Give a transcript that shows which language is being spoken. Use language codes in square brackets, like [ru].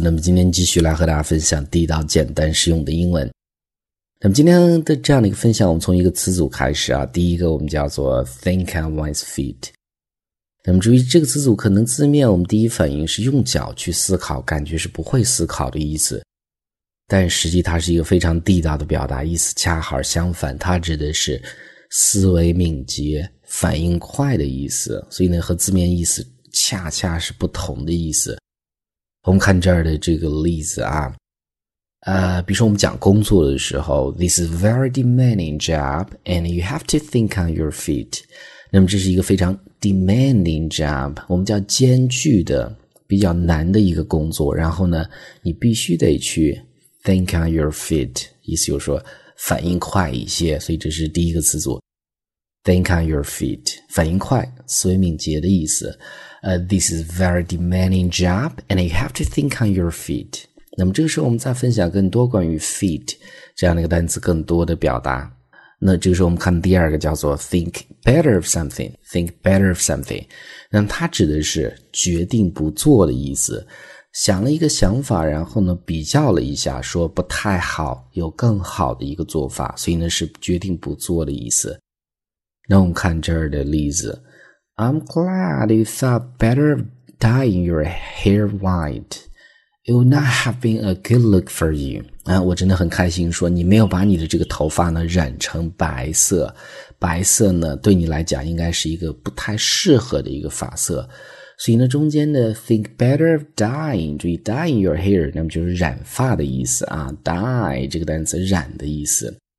[zh] 那么今天继续来和大家分享地道、简单、实用的英文。那么今天的这样的一个分享，我们从一个词组开始啊。第一个我们叫做 think on one's feet。那么注意这个词组，可能字面我们第一反应是用脚去思考，感觉是不会思考的意思。但实际它是一个非常地道的表达，意思恰好相反，它指的是思维敏捷、反应快的意思。所以呢，和字面意思恰恰是不同的意思。我们看这儿的这个例子啊，比如说我们讲工作的时候 [en] This is a very demanding job and you have to think on your feet. [zh] 那么这是一个非常 demanding job, 我们叫艰巨的、比较难的一个工作，然后呢，你必须得去 [en] think on your feet, [zh] 意思就是说反应快一些，所以这是第一个词组。 Think on your feet, 反应快，思维敏捷的意思。 [en] This is a very demanding job, and you have to think on your feet. [zh] 那么这个时候我们再分享更多关于 feet 这样的一个单词更多的表达。那这个时候我们看第二个叫做 think better of something. 那么它指的是决定不做的意思。想了一个想法，然后呢比较了一下，说不太好，有更好的一个做法，所以呢是决定不做的意思。那我们看这儿的例子 [en] I'm glad you thought better of dyeing your hair white. It would not have been a good look for you. [zh] 我真的很开心说你没有把你的这个头发呢染成白色。白色呢对你来讲应该是一个不太适合的一个发色。所以呢中间的 think better of dyeing, 注意 dyeing your hair, 那么就是染发的意思啊 ,dye 这个单词染的意思。